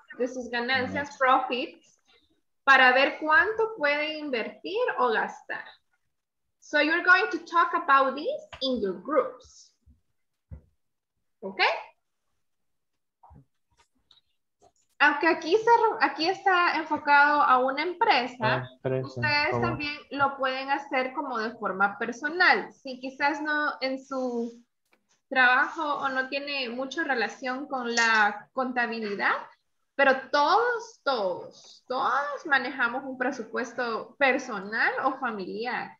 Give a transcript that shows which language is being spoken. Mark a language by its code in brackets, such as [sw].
[es] De sus ganancias, profits, para ver cuánto puede invertir o gastar. [en] So you're going to talk about this in your groups. Okay? [es] Aunque aquí, aquí está enfocado a una empresa, ustedes también lo pueden hacer como de forma personal. Si quizás no en su trabajo o no tiene mucha relación con la contabilidad, pero todos manejamos un presupuesto personal o familiar.